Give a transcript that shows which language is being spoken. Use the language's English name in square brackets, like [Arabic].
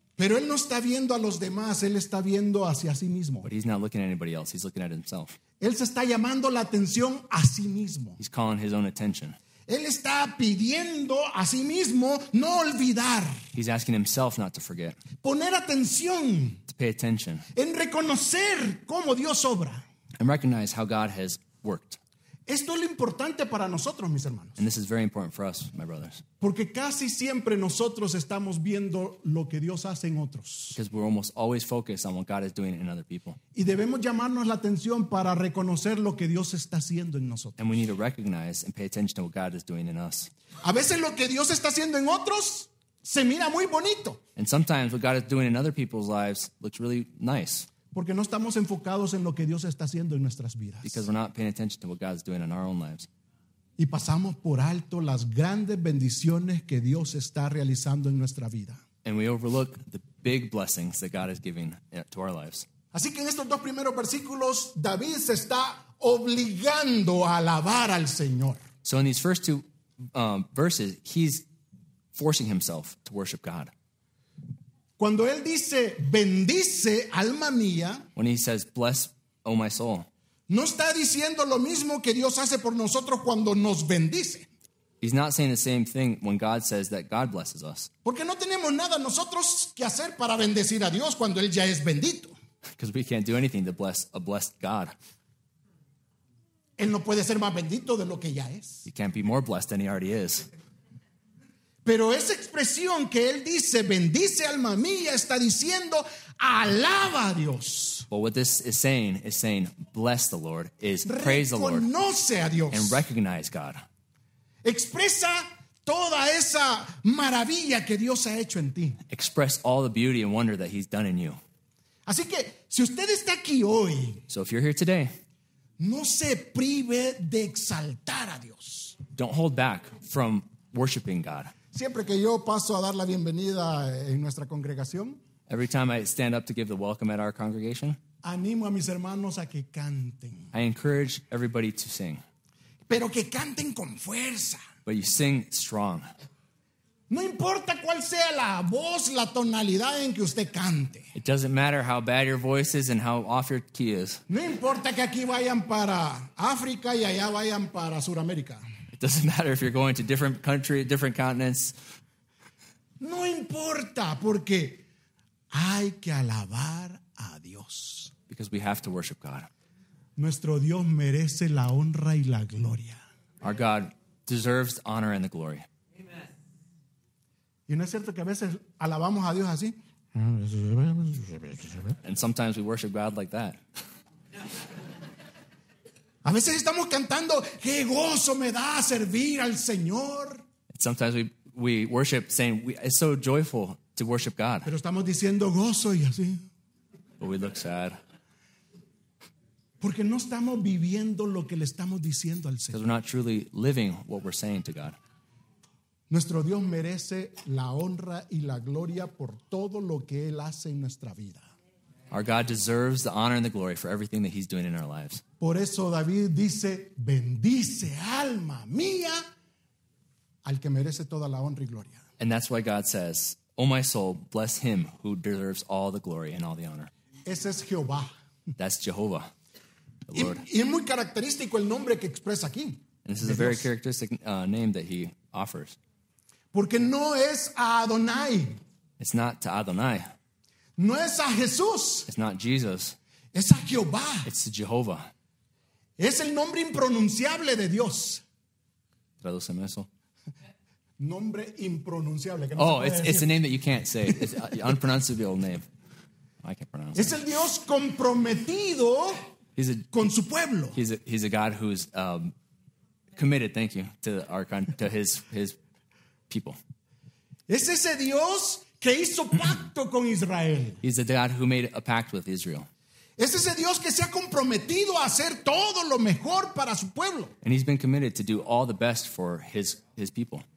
[Spanish] Pero él no está viendo a los demás, él está viendo hacia sí mismo. [English] But he's not looking at anybody else, he's looking at himself. [Spanish] Él se está llamando la atención a sí mismo. [English] He's calling his own attention. [Spanish] Él está pidiendo a sí mismo no olvidar. [English] He's asking himself not to forget. [Spanish] Poner atención. [English] To pay attention. [Spanish] En reconocer cómo Dios obra. [English] And recognize how God has worked. [Spanish] Esto es lo importante para nosotros, mis hermanos. [English] And this is very important for us, my brothers. [Spanish] Porque casi siempre nosotros estamos viendo lo que Dios hace en otros. [English] Because we're almost always focused on what God is doing in other people. [Spanish] Y debemos llamarnos la atención para reconocer lo que Dios está haciendo en nosotros. [English] And we need to recognize and pay attention to what God is doing in us. [Spanish] A veces lo que Dios está haciendo en otros se mira muy bonito. [English] And sometimes what God is doing in other people's lives looks really nice. [Spanish] Porque no estamos enfocados en lo que Dios está haciendo en nuestras vidas. [English] Because we're not paying attention to what God's doing in our own lives. [Spanish] Y pasamos por alto las grandes bendiciones que Dios está realizando en nuestra vida. [English] And we overlook the big blessings that God is giving to our lives. [Spanish] Así que en estos dos primeros versículos, David se está obligando a alabar al Señor. [English] So in these first two verses, he's forcing himself to worship God. [Spanish] Cuando él dice, bendice alma mía, [English] when he says, bless, oh my soul, [Spanish] no está diciendo lo mismo que Dios hace por nosotros cuando nos bendice. [English] He's not saying the same thing when God says that God blesses us. [Spanish] Porque no tenemos nada nosotros que hacer para bendecir a Dios cuando él ya es bendito. [English] Because we can't do anything to bless a blessed God. [Spanish] Él no puede ser más bendito de lo que ya es. [English] He can't be more blessed than he already is. [Spanish] Pero esa expresión que él dice, bendice alma mía, está diciendo, alaba a Dios. [English] Well, what this is saying, bless the Lord, is praise the Lord. [Spanish] Reconoce a Dios. [English] And recognize God. [Spanish] Expresa toda esa maravilla que Dios ha hecho en ti. [English] Express all the beauty and wonder that he's done in you. [Spanish] Así que, si usted está aquí hoy. [English] So if you're here today. [Spanish] No se prive de exaltar a Dios. [English] Don't hold back from worshiping God. [Spanish] Siempre que yo paso a dar la bienvenida en nuestra congregación, [English] every time I stand up to give the welcome at our congregation, [Spanish] animo a mis hermanos a que canten. [English] I encourage everybody to sing. [Spanish] Pero que canten con fuerza. [English] But you sing strong. [Spanish] No importa cuál sea la voz, la tonalidad en que usted cante. [English] It doesn't matter how bad your voice is and how off your key is. [Spanish] No importa que aquí vayan para África y allá vayan para Sudamérica. [English] It doesn't matter if you're going to different countries, different continents. [Spanish] No importa porque hay que alabar a Dios. [English] Because we have to worship God. [Spanish] Nuestro Dios merece la honra y la gloria. [English] Our God deserves the honor and the glory. [Spanish] ¿Y no es cierto que a veces alabamos a Dios así? [English] And sometimes we worship God like that. [Spanish] A veces estamos cantando, ¡qué gozo me da servir al Señor! [English] Sometimes we worship saying, it's so joyful to worship God. [Spanish] Pero estamos diciendo gozo y así. [English] But we look sad. [Spanish] Porque no estamos viviendo lo que le estamos diciendo al Señor. [English] Because we're not truly living what we're saying to God. [Spanish] Nuestro Dios merece la honra y la gloria por todo lo que Él hace en nuestra vida. [English] Our God deserves the honor and the glory for everything that He's doing in our lives. [Spanish] Por eso David dice, bendice alma mía al que merece toda la honra y gloria. [English] And that's why God says, oh my soul, bless him who deserves all the glory and all the honor. [Spanish] Ese es Jehová. [English] That's Jehovah, the Lord. [Spanish] Y es muy característico el nombre que expresa aquí. [English] And this is a very characteristic name that he offers. [Spanish] Porque no es a Adonai. [English] It's not to Adonai. [Spanish] No es a Jesús. [English] It's not Jesus. [Spanish] Es a Jehová. [English] It's to Jehovah. [Spanish] Es el nombre impronunciable de Dios. Tradúceme eso. Nombre impronunciable. Que no se puede [English] it's, [Spanish] decir. [English] It's a name that you can't say. It's an unpronounceable name. I can't pronounce [Spanish] es [English] it. [Spanish] Es el Dios comprometido con su pueblo. [English] He's a God who's committed, thank you, to his people. [Spanish] Es ese Dios que hizo pacto con Israel. [English] He's the God who made a pact with Israel. [Spanish] Es ese Dios que se ha comprometido a hacer todo lo mejor para su pueblo. [English] And he's been committed to do all the best for his people.